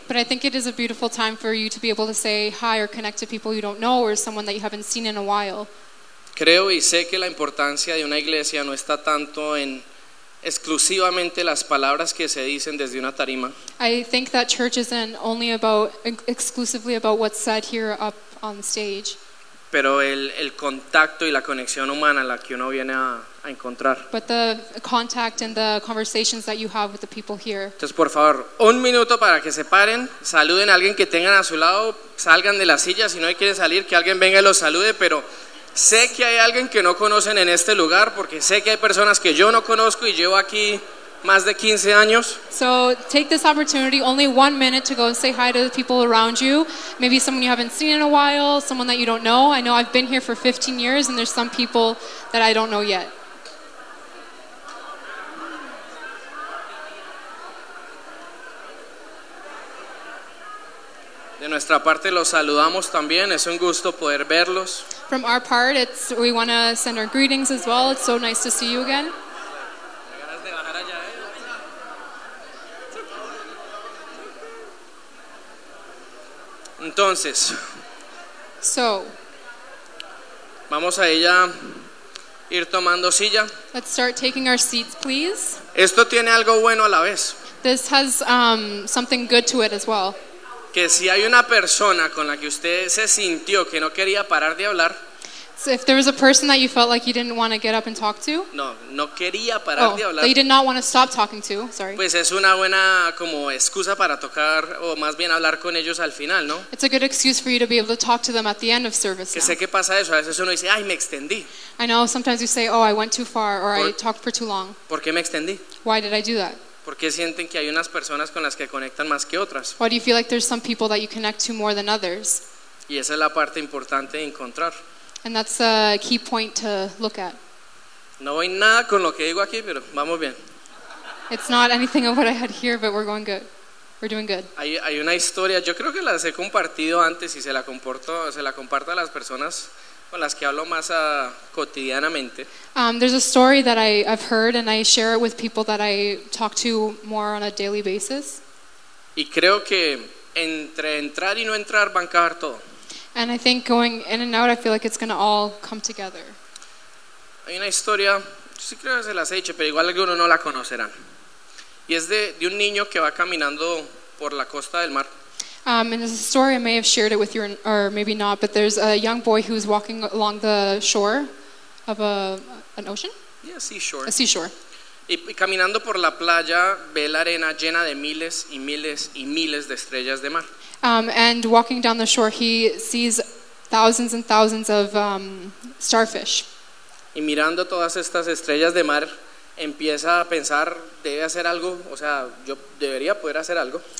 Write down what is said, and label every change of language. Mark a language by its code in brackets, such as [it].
[en] But I think it is a beautiful time for you to be able to say hi or connect to people you don't know or someone that you haven't seen in a while. [es] Creo y sé que la importancia de una iglesia no está tanto en exclusivamente las palabras que se dicen desde una tarima. [en] I think that church isn't only about exclusively about what's said here up on stage. [es] Pero el contacto y la conexión humana la que uno viene a encontrar. [en] But the contact and the conversations that you have with the people here. [es] Entonces, por favor, un minuto para que se paren, saluden a alguien que tengan a su lado, salgan de la silla, si no quieren salir, que alguien venga y los salude, pero sé que hay alguien que no conocen en este lugar porque sé que hay personas que yo no conozco y llevo aquí más de 15 años. [en] So take this opportunity, only 1 minute, to go and say hi to the people around you. Maybe someone you haven't seen in a while, someone that you don't know. I know I've been here for 15 years and there's some people that I don't know yet. [es] De nuestra parte los saludamos también, es un gusto poder verlos. [en] From our part, we want to send our greetings as well. It's so nice to see you again. [es] Entonces, [en] so, [es] vamos a ella ir tomando silla. [en] Let's start taking our seats, please. [es] Esto tiene algo bueno a la vez. [en] This has something good to it as well. [es] que si hay una persona con la que usted se sintió que no quería parar de hablar. [en] So if there was a person that you felt like you didn't want to get up and talk to. [es] No quería parar de hablar. [en] That you did not want to stop talking to. Sorry. [es] Pues es una buena como excusa para tocar o más bien hablar con ellos al final, ¿no? [en] It's a good excuse for you to be able to talk to them at the end of service. [es] Que [en] now. [es] Sé que pasa eso. A veces uno dice, ay, me extendí. [en] I know sometimes you say, oh, I went too far or I talked for too long. [es] ¿Por qué me extendí? [en] Why did I do that? [es] ¿Por qué sienten que hay unas personas con las que conectan más que otras? [en] Why do you feel like there's some people that you connect to more than others? [es] Y esa es la parte importante de encontrar. [en] And that's a key point to look at. [es] No hay nada con lo que digo aquí, pero vamos bien. [en] It's not anything of what I had here, but we're going good. We're doing good. [es] Hay una historia, yo creo que las he compartido antes y se la comparto a las personas con las que hablo más cotidianamente. [en] There's a story that I've heard and I share it with people that I talk to more on a daily basis. [es] Y creo que entre entrar y no entrar van a caer todo. [en] And I think going in and out, I feel like it's going to all come together. [es] Hay una historia, yo sí creo que se las he dicho, pero igual algunos no la conocerán. Y es de un niño que va caminando por la costa del mar. [en] And there's a story, I may have shared it with you, or maybe not, but there's a young boy who's walking along the shore of an ocean? Yeah, seashore. A seashore. [es] Y caminando por la playa, ve la arena llena de miles y miles y miles de estrellas de mar. [en] And walking down the shore, he sees thousands and thousands of starfish. [es] Y mirando todas estas estrellas de mar, empieza a pensar, debe hacer algo, o sea, yo debería poder hacer algo.